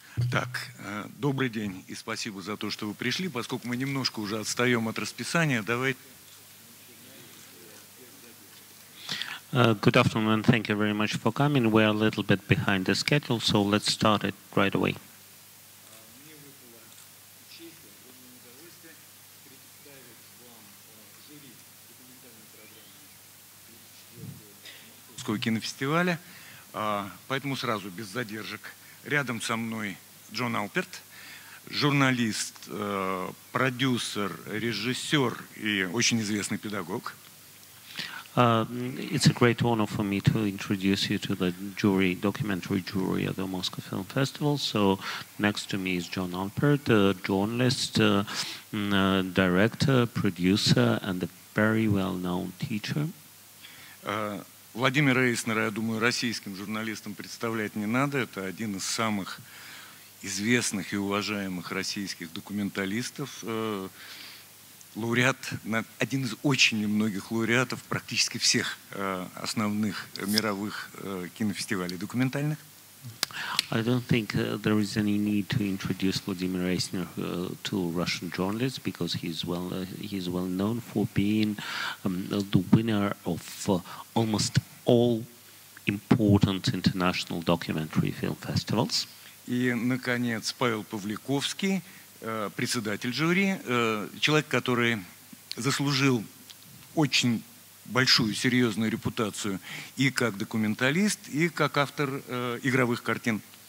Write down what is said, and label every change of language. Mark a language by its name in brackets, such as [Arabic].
[Russian] Так, добрый день и спасибо за то, что вы пришли. Поскольку мы немножко уже отстаем от расписания, давайте... [English] Good afternoon and thank you very much for coming. We are a little bit behind the schedule, so let's start it right away. [Russian] Кинофестиваля, поэтому сразу без задержек. Рядом со мной Джон Алперт, журналист, продюсер, режиссер и очень известный педагог. [English] It's a great honor for me to introduce you to the jury, documentary jury at the Moscow Film Festival. So next to me is John Alpert, a journalist, director, producer, and a very well-known teacher. [Russian] Владимира Эйснера, я думаю, российским журналистам представлять не надо. Это один из самых известных и уважаемых российских документалистов. Лауреат, один из очень немногих лауреатов практически всех основных мировых кинофестивалей документальных. [English] I don't think there is any need to introduce Vladimir Eisner to Russian journalists because he's well known for being the winner of almost all important international documentary film festivals. [Russian] И, наконец, Павел Павликовский, председатель жюри, человек, который заслужил очень большую серьезную репутацию и как документалист, и как автор игровых картин.